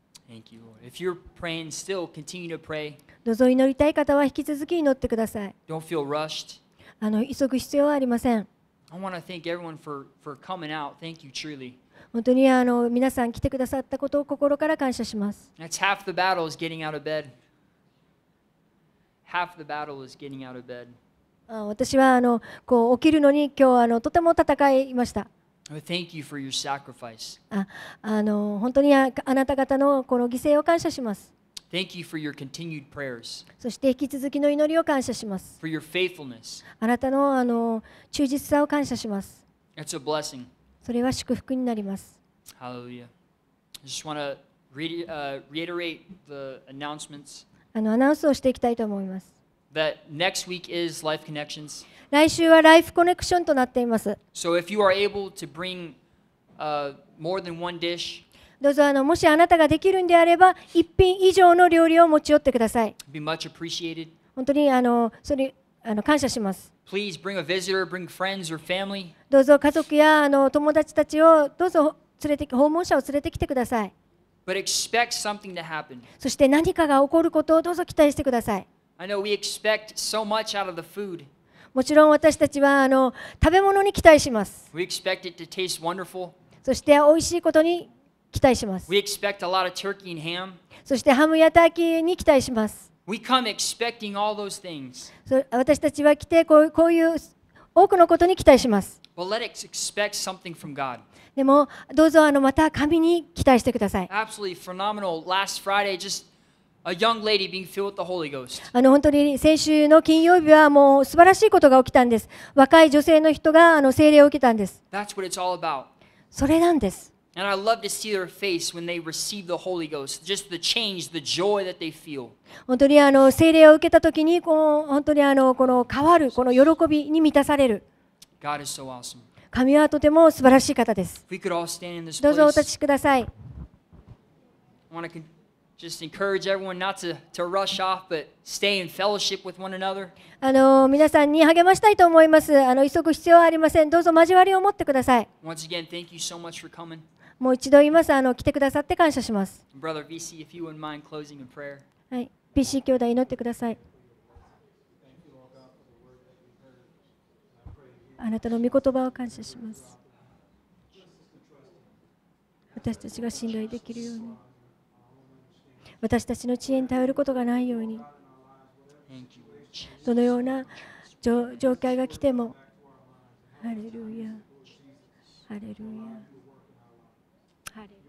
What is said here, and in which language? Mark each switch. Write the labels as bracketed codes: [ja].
[en] Thank you, Lord. If you're praying, still continue to pray. [ja] どうぞ祈りたい方は引き続き祈ってください。 [en] Don't feel rushed. [ja] 急ぐ必要はありません。 [en] I want to thank everyone for coming out. Thank you truly. [ja] 本当に皆さん来てくださったことを心から感謝します。 [en] That's half the battle is getting out of bed. Half the battle is getting out of bed. [ja] 私はこう起きるのに今日とても戦いました。 [en] Thank you for your sacrifice. [ja] 本当にあなた方のこの犠牲を感謝します。 [en] Thank you for your continued prayers. [ja] そして引き続きの祈りを感謝します。 [en] For your faithfulness. [ja] あなたの忠実さを感謝します。 [en] It's a blessing. [ja] それは祝福になります。 [en] Hallelujah. I just want to reiterate the announcements. [ja] アナウンスをしていきたいと思います。 [en] That next week is Life Connections. [ja] 来週はライフコネクションとなっています。 [en] So if you are able to bring more than one dish, [ja] どうぞもしあなたができるんであれば一品以上の料理を持ち寄ってください。 [en] Be much appreciated. [ja] 本当にそれ感謝します。 [en] Please bring a visitor, bring friends or family. [ja] どうぞ家族や友達たちをどうぞ連れて訪問者を連れてきてください。 [en] But expect something to happen. [ja] そして何かが起こることをどうぞ期待してください。 [en] I know we expect so much out of the food. [ja] もちろん私たちは食べ物に期待します。 [en] We expect it to taste wonderful. [ja] そして美味しいことに期待します。 [en] We expect a lot of turkey and ham. [ja] そしてハムやターキーに期待します。 [en] We come expecting all those things. [ja] 私たちは来てこういう多くのことに期待します。 [en] But let us expect something from God. [ja] でもどうぞまた神に期待してください。 [en] Absolutely phenomenal. Last Friday, just A young lady being filled with the Holy Ghost. [ja] 本当に先週の金曜日はもう素晴らしいことが起きたんです。若い女性の人が聖霊を受けたんです。 [en] That's what it's all about. [ja] それなんです。 [en] And I love to see their face when they receive the Holy Ghost. Just the change, the joy that they feel. [ja] 本当に聖霊を受けた時に本当にこの変わるこの喜びに満たされる。 [en] God is so awesome. [ja] 神はとても素晴らしい方です。 [en] We could all stand in this place. [ja] どうぞお立ちください。 [en] Just encourage everyone not to rush off, but stay in fellowship with one another. [ja] 皆さんに励ましたいと思います。急ぐ必要はありません。どうぞ交わりを持ってください。 [en] Once again, thank you so much for coming. [ja] もう一度言います。来てくださって感謝します。 [en] Brother VC, if you wouldn't mind closing in prayer. [ja] はい、PC 兄弟祈ってください。あなたの御言葉を感謝します。私たちが信頼できるように。私たちの知恵に頼ることがないようにどのような状況が来てもハレルヤハレルヤハレルヤ